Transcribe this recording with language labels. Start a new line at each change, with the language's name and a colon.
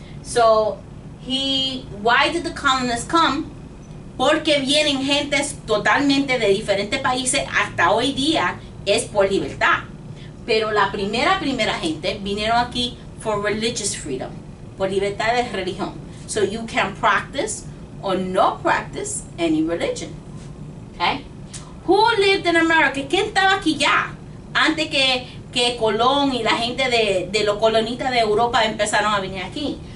English: So, why did the colonists come?
Spanish: Porque vienen gentes totalmente de diferentes países hasta hoy día, es por libertad. Pero la primera gente vinieron aquí
English: for religious freedom,
Spanish: por libertad de religión.
English: So you can practice or not practice any religion. Okay? Who lived in America?
Spanish: ¿Quién estaba aquí ya? Antes que Colón y la gente de los colonistas de Europa empezaron a venir aquí.